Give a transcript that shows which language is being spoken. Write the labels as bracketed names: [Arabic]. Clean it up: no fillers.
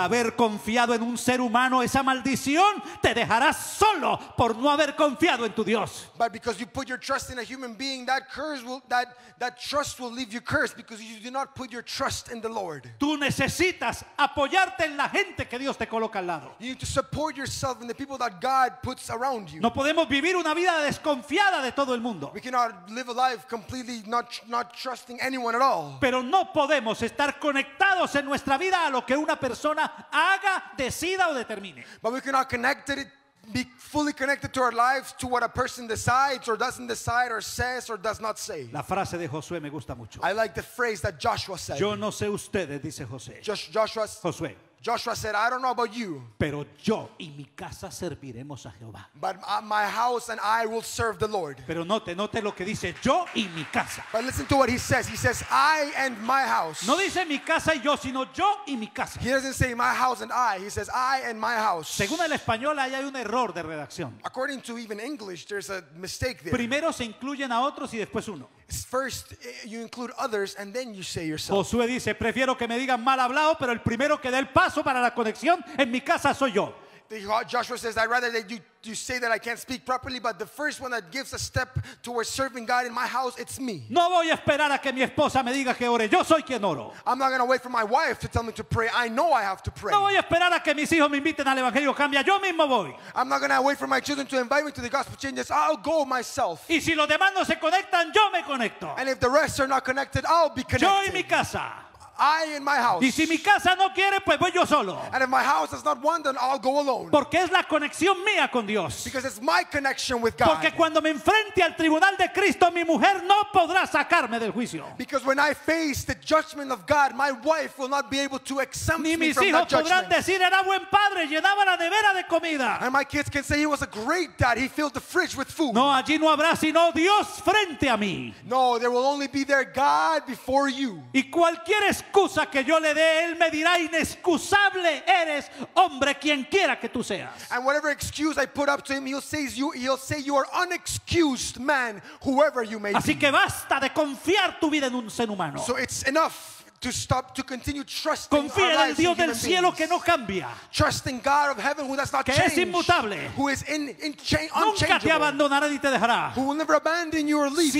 [Spanish] Haber confiado en un ser humano, esa maldición te dejará solo por no haber confiado en tu Dios. [English] But because you put your trust in a human being, that trust will leave you cursed because you do not put your trust in the Lord. [Spanish] Tú necesitas apoyarte en la gente que Dios te coloca al lado. [English] You need to support yourself in the people that God puts around you. [Spanish] No podemos vivir una vida desconfiada de todo el mundo. [English] We cannot live a life completely not trusting anyone at all. [Spanish] Pero no podemos estar conectados en nuestra vida a lo que una persona haga, decida o determine. [English] But we cannot connect it. Be fully connected to our lives to what a person decides or doesn't decide or says or does not say. [Spanish] La frase de Josué me gusta mucho. [English] I like the phrase that Joshua said. [Spanish] Yo no sé ustedes, dice José. [English] Joshua. [Spanish] Josué. [English] Joshua said, I don't know about you. [Spanish] Pero yo y mi casa serviremos a Jehová. [English] But my house and I will serve the Lord. [Spanish] Pero note lo que dice, yo y mi casa. [English] But listen to what he says. He says, I and my house. [Spanish] No dice mi casa y yo, sino yo y mi casa. [English] He doesn't say my house and I. He says, I and my house. [Spanish] Según el español, ahí hay un error de redacción. [English] According to even English, there's a mistake there. [Spanish] Primero se incluyen a otros y después uno. [English] First, you include others, and then you say yourself. [Spanish] Josué dice, prefiero que me digan mal hablado, pero el primero que dé el paso para la conexión en mi casa soy yo. [English] Joshua says, I'd rather that you say that I can't speak properly, but the first one that gives a step towards serving God in my house, it's me. [Spanish] No voy a esperar a que mi esposa me diga que ore. Yo soy quien oro. [English] I'm not going to wait for my wife to tell me to pray. I know I have to pray. [Spanish] No voy a esperar a que mis hijos me inviten al evangelio. Cambia. Yo mismo voy. [English] I'm not going to wait for my children to invite me to the gospel changes. I'll go myself. [Spanish] Y si los demás no se conectan, yo me conecto. [English] And if the rest are not connected, I'll be connected. [Spanish] Yo y mi casa. [English] I in my house. [Spanish] Y si mi casa no quiere, pues voy yo solo. [English] And if my house does not want, then I'll go alone. [Spanish] Porque es la conexión mía con Dios. [English] Because it's my connection with God. [Spanish] Porque cuando me enfrente al tribunal de Cristo, mi mujer no podrá sacarme del juicio. [English] Because when I face the judgment of God, my wife will not be able to exempt me from that judgment. [Spanish] Ni mis hijos podrán decir, era buen padre, llenaba la nevera de comida. [English] And my kids can say he was a great dad, he filled the fridge with food. [Spanish] No, allí no habrá sino Dios frente a mí. [English] No, there will only be there God before you. [Spanish] Y cualquier excusa que yo le dé, él me dirá, inexcusable eres, hombre, quienquiera que tú seas. [English] And whatever excuse I put up to him, he'll say you are unexcused man, whoever you may be. [Spanish] Así que basta de confiar tu vida en un ser humano. [English] So it's enough to stop, to continue trusting. [Spanish] Confía en el Dios del cielo que no cambia. [English] Trust in God of heaven who does not change. [Spanish] Que es inmutable. [English] Who is unchangeable. [Spanish] Nunca te abandonará ni te dejará. [English] Who will never abandon you or leave you.